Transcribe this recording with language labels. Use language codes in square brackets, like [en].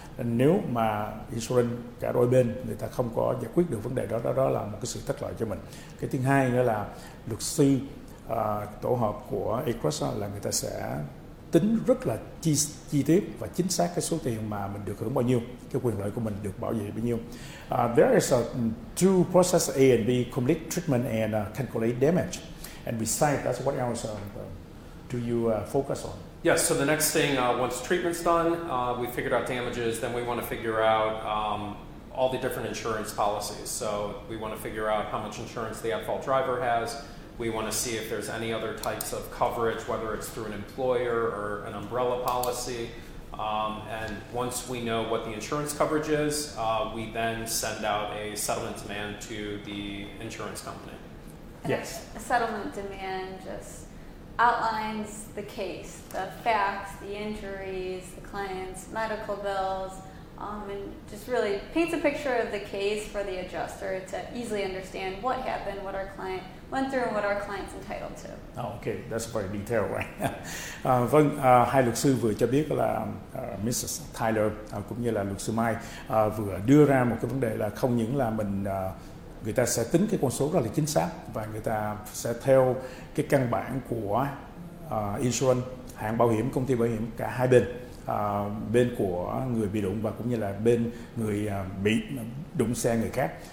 [vi] Nếu mà insurance cả đôi bên người ta không có giải quyết được vấn đề đó là một cái sự thất lợi cho mình. Cái thứ hai nữa là luật sư tổ hợp của Agruss là người ta sẽ tính rất là chi tiết và chính xác cái số tiền mà mình được hưởng bao nhiêu, cái quyền lợi của mình được bảo vệ bao nhiêu. [en] There is a two process, A and B, complete treatment and calculate damage. And besides, that's what else do you focus on? Yes, so the next thing, once treatment's done, we figured out damages, then we want to figure out all the different insurance policies. So we want to figure out how much insurance the at-fault driver has. We want to see if there's any other types of coverage, whether it's through an employer or an umbrella policy. And once we know what the insurance coverage is, we then send out a settlement demand to the insurance company. Yes. A settlement demand just outlines the case, the facts, the injuries, the client's medical bills, and just really paints a picture of the case for the adjuster to easily understand what happened, what our client went through, and what our client's entitled to. Oh, okay, that's very detailed, right? [vi] Vâng, hai luật sư vừa cho biết là Mrs. Tyler cũng như là luật sư Mai vừa đưa ra một cái vấn đề là không những là mình người ta sẽ tính cái con số rất là chính xác và người ta sẽ theo cái căn bản của insurance, hãng bảo hiểm, công ty bảo hiểm, cả hai bên, bên của người bị đụng và cũng như là bên người bị đụng xe người khác.